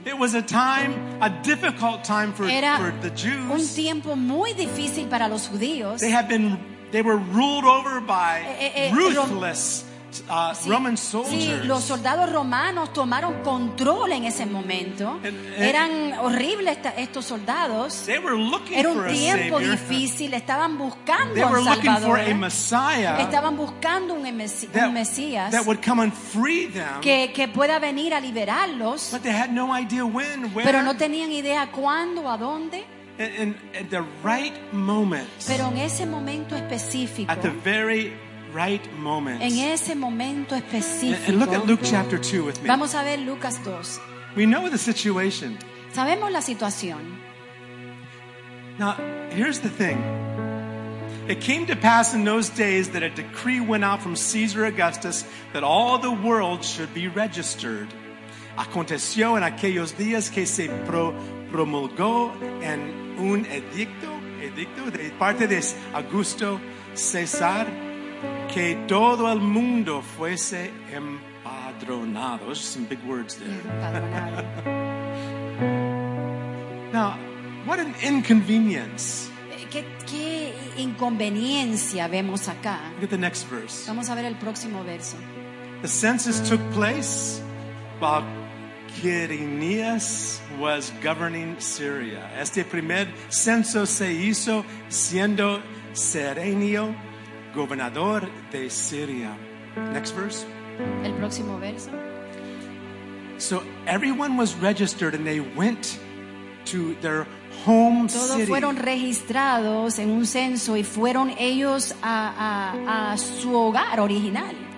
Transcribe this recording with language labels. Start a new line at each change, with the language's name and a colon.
English: It was a time, a difficult time for the Jews.
Spanish: Un tiempo muy difícil para los judíos.
English: They were ruled over by ruthless Roman soldiers.
Spanish: Sí, los soldados romanos tomaron control en ese momento. Eran horribles estos soldados.
English: They were looking
Spanish: Era un tiempo
English: for a
Spanish: difícil. Estaban buscando
English: they
Spanish: a un
English: were
Spanish: Salvador.
English: Looking for a Messiah
Spanish: Estaban buscando un, un Mesías
English: that would come and free them,
Spanish: que pueda venir a liberarlos.
English: But they had no idea when, where.
Spanish: Pero no tenían idea cuándo, a dónde.
English: At the right moment,
Spanish: pero en ese momento específico.
English: At the very right moment.
Spanish: En ese momento específico.
English: And look at Luke chapter 2 with me.
Spanish: Vamos a ver Lucas 2.
English: We know the situation.
Spanish: Sabemos la situación.
English: Now, here's the thing. It came to pass in those days that a decree went out from Caesar Augustus that all the world should be registered.
Spanish: Aconteció en aquellos días que se promulgó en un edicto de parte de Augusto César que todo el mundo fuese empadronado.
English: Those are some big words there. Now, what an inconvenience.
Spanish: ¿Qué inconveniencia vemos acá?
English: Look at the next verse.
Spanish: Vamos a ver el próximo verso.
English: The census took place while Quirinius was governing Syria.
Spanish: Este primer censo se hizo siendo Serenio gobernador de Siria.
English: Next verse.
Spanish: El próximo verso.
English: So everyone was registered and they went to their home
Spanish: Todos
English: city.
Spanish: Todos fueron registrados en un censo y fueron ellos a su hogar original.